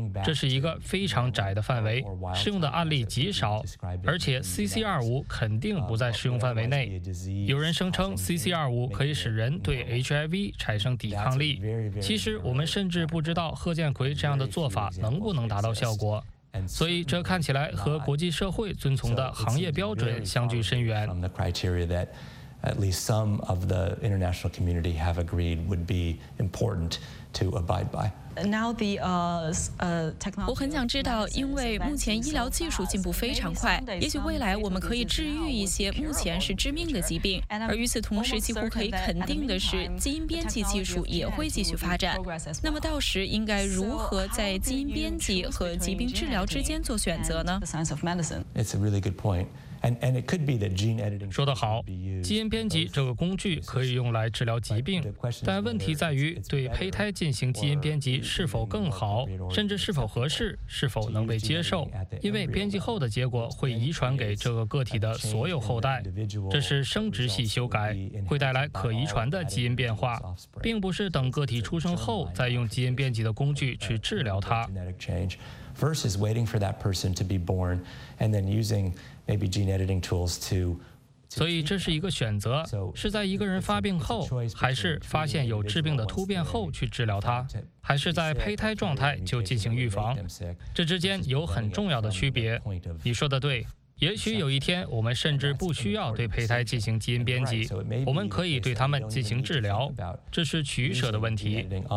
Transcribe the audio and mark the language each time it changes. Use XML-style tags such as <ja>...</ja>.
<zh>这是一个非常窄的范围，适用的案例极少，而且 CCR5 肯定不在适用范围内。有人声称 CCR5 可以使人对 HIV 产生抵抗力，其实我们甚至不知道贺建奎这样的做法能不能达到效果。所以这看起来和国际社会遵从的行业标准相距深远。</zh> <en>From the criteria that at least some of the international community have agreed would be important to abide by. Now the technology.</en> <zh>我很想知道，因为目前医疗技术进步非常快，也许未来我们可以治愈一些目前是致命的疾病。而与此同时，几乎可以肯定的是，基因编辑技术也会继续发展。那么到时应该如何在基因编辑和疾病治疗之间做选择呢</zh> <en>？Science of medicine. It's a really good point. And it could be that gene editing.</en> <zh>说得好，基因编辑这个工具可以用来治疗疾病，但问题在于对胚胎进行基因编辑是否更好，甚至是否合适，是否能被接受？因为编辑后的结果会遗传给这个个体的所有后代，这是生殖系修改，会带来可遗传的基因变化，并不是等个体出生后再用基因编辑的工具去治疗它。</zh> <en>Versus waiting for that person to be born, and then using maybe gene editing tools to</en> <zh>所以这是一个选择，是在一个人发病后，还是发现有致病的突变后去治疗它，还是在胚胎状态就进行预防，这之间有很重要的区别。你说的对，也许有一天我们甚至不需要对胚胎进行基因编辑，我们可以对他们进行治疗，这是取舍的问题。</zh>